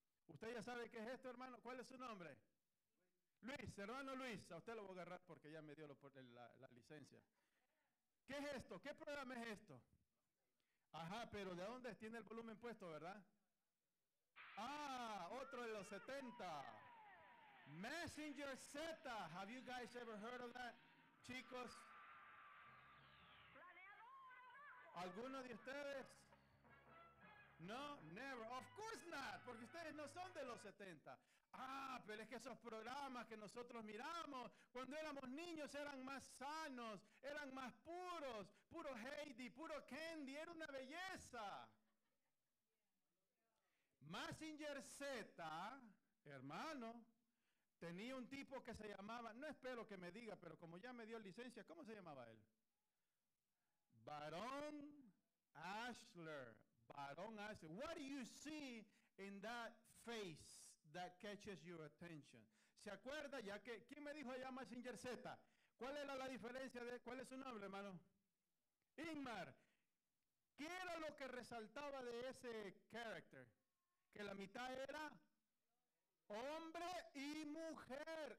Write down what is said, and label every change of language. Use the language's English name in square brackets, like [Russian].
[Spanish] ¿Usted ya sabe qué es esto, hermano? ¿Cuál es su nombre? Luis, hermano Luis, a usted lo voy a agarrar porque ya me dio la licencia. ¿Qué es esto? ¿Qué programa es esto? Ajá, pero ¿de dónde tiene el volumen puesto, verdad? Ah, otro de los 70. [English] Messenger Z, have you guys ever heard of that? [Spanish] Chicos, ¿alguno de ustedes? [English] No, never, of course not, [Spanish] porque ustedes no son de los 70. Ah, pero es que esos programas que nosotros miramos cuando éramos niños eran más sanos, eran más puros, puro Heidi, puro Candy, era una belleza. Mazinger Z, hermano, tenía un tipo que se llamaba, no espero que me diga, pero como ya me dio licencia, ¿cómo se llamaba él? Barón Ashler. Barón Ashler. [English] What do you see in that face that catches your attention? [Spanish] ¿Se acuerda ya que, quién me dijo allá Mazinger Z? ¿Cuál era la diferencia de, cuál es su nombre, hermano? Ingmar. ¿Qué era lo que resaltaba de ese character? Que la mitad era hombre y mujer.